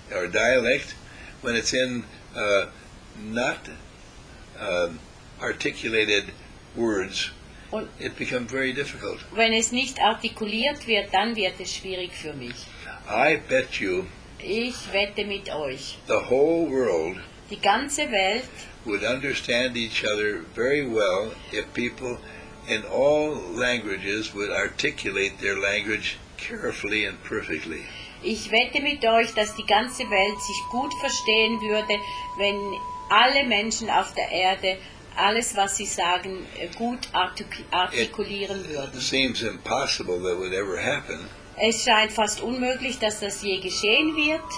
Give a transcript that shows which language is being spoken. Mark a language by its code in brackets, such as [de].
[en] Or dialect, when it's in not articulated words, it becomes very difficult. [de] Wenn es nicht artikuliert wird, dann wird es schwierig für mich. [en] I bet you. [de] Ich wette mit euch. [en] The whole world. [de] Die ganze Welt. [en] Would understand each other very well if people. And all languages would articulate their language carefully and perfectly. [de] Ich wette mit euch, dass die ganze Welt sich gut verstehen würde, wenn alle Menschen auf der Erde alles, was sie sagen, gut artikulieren würden. [en] It seems impossible that would ever happen. [de] Es scheint fast unmöglich, dass das je geschehen wird.